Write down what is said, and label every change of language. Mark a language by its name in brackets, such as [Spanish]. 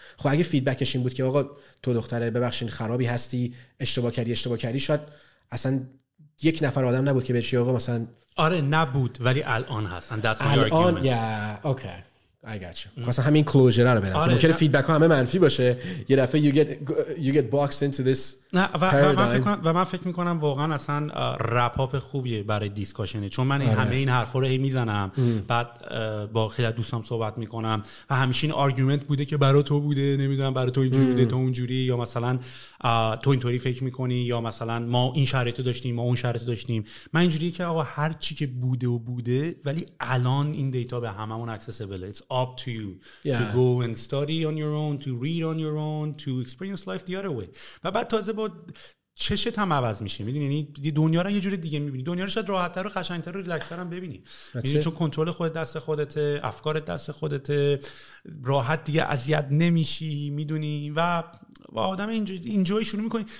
[Persian] خب اگه فیدبکش این بود که آقا تو دختره ببخشین خرابی هستی، اشتباه کردی، شاید اصلا یک نفر آدم نبود که بشی آقا مثلا آره نبود، ولی الان هستن. الان یا اوکی [English] I got you. [Persian] خواستم همین کلوژر رو بدم. آره، ممکنه فیدبک ها همه منفی باشه. یه دفعه [English] you get boxed into this. [Persian] نه و من فکر میکنم واقعا اصلا رپاپ خوبیه برای دیسکاشن، چون من همه این حرفا رو هی میزنم، بعد با خیلی از دوستام صحبت میکنم و همیشه این آرگومنت بوده که برای تو بوده، نمیدونم برای تو اینجوری بوده، تو اونجوری، یا مثلا تو اینطوری فکر میکنی، یا مثلا ما این شرایطو داشتیم، ما اون شرایطو داشتیم. من اینجوریه که آقا هر چی که بوده و بوده، ولی الان این دیتا به هممون اکسسیبل، [English] it's up to you to go and study on your own, to read on your own, to experience life the other way. [Persian] و بعد تازه با چشت هم عوض میشه، میدونی، یعنی دنیا رو یه جوری دیگه میبینی، دنیا رو شاید راحت‌تر و قشنگ‌تر و ریلکس‌تر هم ببینی، میدونی، چون کنترل خود دست خودته، افکار دست خودته، راحت دیگه اذیت نمیشی، میدونی، و با آدم اینجوری شروع میکنی.